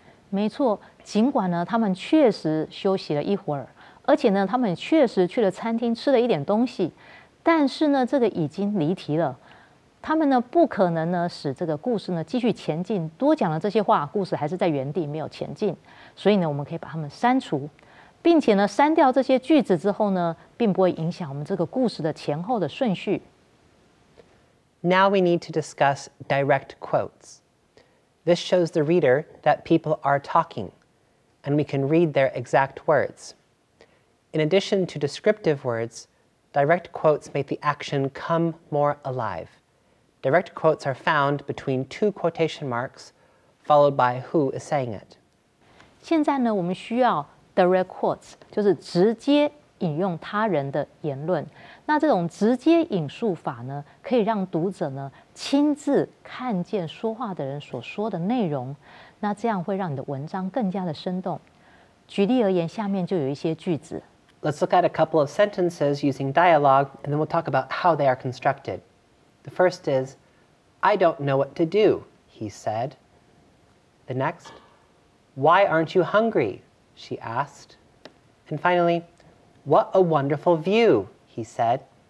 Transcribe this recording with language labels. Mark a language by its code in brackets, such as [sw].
[zh] 没错，尽管呢他们确实休息了一会儿，而且呢他们确实去了餐厅吃了一点东西。但是呢，这个已经离题了。他们呢，不可能呢，使这个故事呢继续前进。多讲了这些话，故事还是在原地没有前进。所以呢，我们可以把它们删除，并且呢，删掉这些句子之后呢，并不会影响我们这个故事的前后的顺序。 [en] Now we need to discuss direct quotes. This shows the reader that people are talking, and we can read their exact words. In addition to descriptive words,Direct quotes make the action come more alive. Direct quotes are found between two quotation marks, followed by who is saying it. [zh] 现在呢，我们需要 direct quotes， 就是直接引用他人的言论。那这种直接引述法呢，可以让读者呢亲自看见说话的人所说的内容。那这样会让你的文章更加的生动。举例而言，下面就有一些句子。 [en] Let's look at a couple of sentences using dialogue, and then we'll talk about how they are constructed. The first is, I don't know what to do, he said. The next, why aren't you hungry, she asked. And finally, what a wonderful view, he said.